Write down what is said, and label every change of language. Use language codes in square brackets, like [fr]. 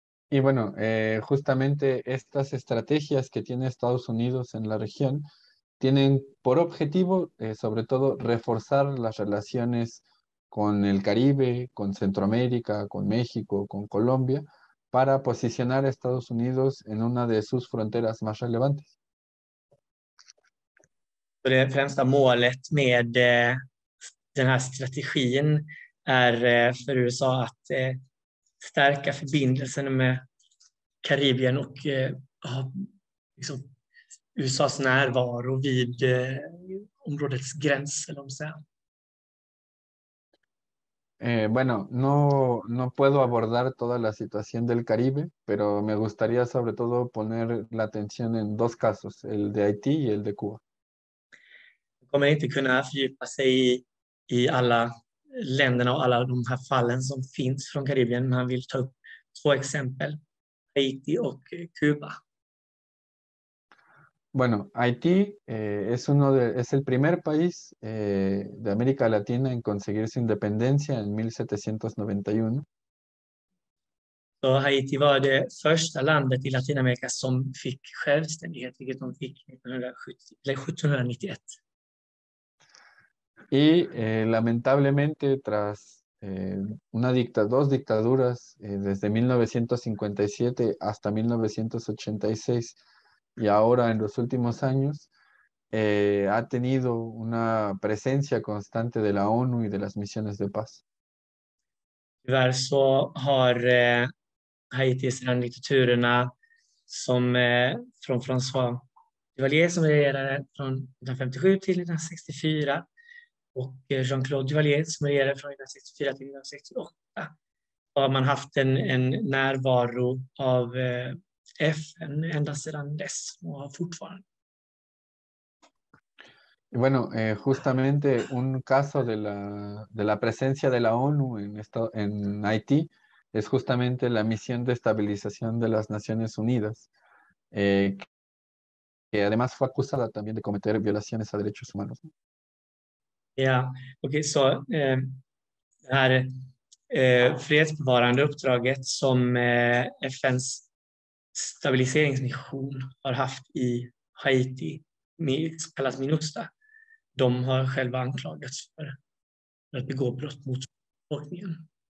[es] Y bueno, justamente estas estrategias que tiene Estados Unidos en la región tienen por objetivo, sobre todo, reforzar las relaciones con el Caribe, con Centroamérica, con México, con Colombia, para posicionar a Estados Unidos en una de sus fronteras más relevantes. [sv] Det främsta målet med den här strategin är för USA att stärka förbindelsen med Karibien och liksom USAs närvaro vid områdets gräns, eller om säga. [es] Bueno, no puedo abordar toda la situación del Caribe, pero me gustaría sobre todo poner la atención en dos casos, el de Haití y el de Cuba. [sv] Kommer inte kunna fördjupa sig i alla länderna och alla de här fallen som finns från Karibien, men han vill ta upp två exempel, Haiti och Kuba. [es] Bueno, Haití es uno de es el primer país de América Latina en conseguir su independencia en 1791. [sv] Så Haiti var det första landet i Latinamerika som fick självständighet, vilket de fick 1791. [es] Y lamentablemente, tras dos dictaduras desde 1957 hasta 1986 y ahora en los últimos años, ha tenido una presencia constante de la ONU y de las misiones de paz. [sv] Tyvärr så har Haití sedan diktaturerna som från François Duvalier som regerade från 1957 till 1964. Och Jean-Claude Duvalier som regerade från 1964 till 1968 har man haft en närvaro av FN ända sedan dess och fortfarande. [es] Bueno, justamente un caso de la presencia de la ONU en Haití es justamente la misión de estabilización de las Naciones Unidas, que además fue acusada también de cometer violaciones a derechos humanos. [sv] Ja, okej, så det här fredsbevarande uppdraget som FNs stabiliseringsmission har haft i Haiti, kallas Minusta, de har själva anklagats för att begå brott mot befolkningen.